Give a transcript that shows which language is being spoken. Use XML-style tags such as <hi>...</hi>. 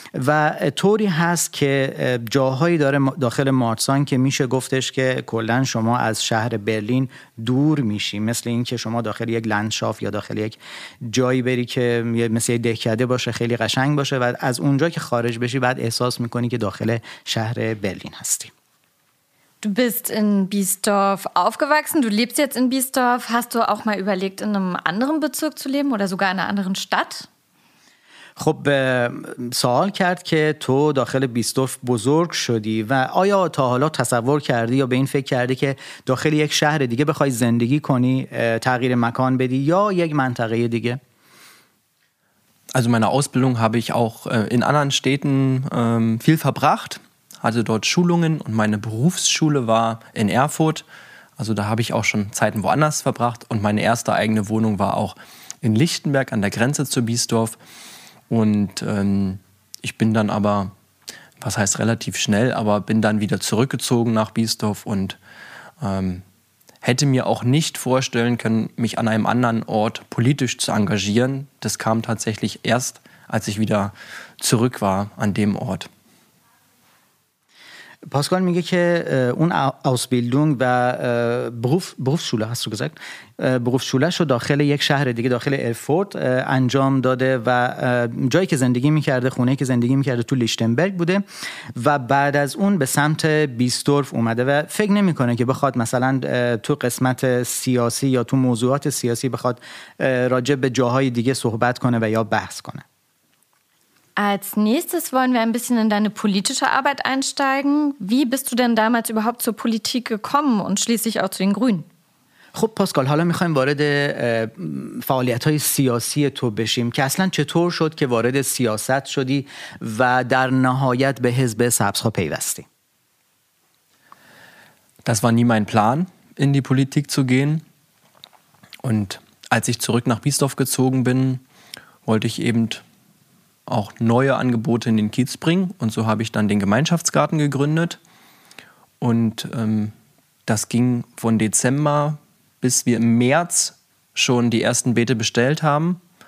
<fa>و طوری هست که جاهایی داره داخل مارتسان که میشه گفتش که کلن شما از شهر برلین دور میشی، مثل این که شما داخل یک لندشافت یا داخل یک جایی بری که مثل یک دهکده باشه، خیلی قشنگ باشه و از اونجا که خارج بشی بعد احساس میکنی که داخل شهر برلین هستی.</fa> <de>Du bist in Biesdorf aufgewachsen, du lebst jetzt in Biesdorf. Hast du auch mal überlegt, in einem anderen Bezirk zu leben oder sogar in einer anderen Stadt?</de> <fa>خب سوال کرد که تو داخل بیستورف بزرگ شدی و آیا تا حالا تصور کردی یا به این فکر کردی که داخل یک شهر دیگه بخوای زندگی کنی، تغییر مکان بدی یا یک منطقه دیگه؟</fa> <de>Also meine Ausbildung habe ich auch in anderen Städten viel verbracht. Hatte dort Schulungen und meine Berufsschule war in Erfurt. Also da habe ich auch schon Zeiten woanders verbracht und meine erste eigene Wohnung war auch in Lichtenberg an der Grenze zu Biesdorf. Und ich bin dann aber, was heißt relativ schnell, aber bin dann wieder zurückgezogen nach Biesdorf und hätte mir auch nicht vorstellen können, mich an einem anderen Ort politisch zu engagieren. Das kam tatsächlich erst, als ich wieder zurück war an dem Ort. Pascal, mir geht Ausbildung und Berufsschule, hast du gesagt? Berufsschule schon</de> <fa>داخل یک شهر دیگه داخل ارفورت انجام داده و جایی که زندگی میکرده خونه که زندگی میکرده تو لیشتنبرگ بوده و بعد از اون به سمت بیستورف اومده و فکر نمیکنه که بخواد مثلا تو قسمت سیاسی یا تو موضوعات سیاسی بخواد راجع به جاهای دیگه صحبت کنه و یا بحث کنه.</fa> <de>Als nächstes wollen wir ein bisschen in deine politische Arbeit einsteigen. Wie bist du denn damals überhaupt zur Politik gekommen und schließlich auch zu den Grünen?</de> <fa>خب پاسکال، حالا میخوایم وارد فعالیت‌های سیاسی تو بشیم که اصلا چطور شد که وارد سیاست شدی و در نهایت به حزب سبز پیوستی؟</fa> <de>Das war nie mein Plan, in die Politik zu gehen. Und als ich zurück nach Biesdorf gezogen bin, wollte ich eben auch neue Angebote in den Kiez bringen. Und so habe ich dann den Gemeinschaftsgarten gegründet. Und das ging von Dezember bis wir im März schon die ersten Beete bestellt haben.</de>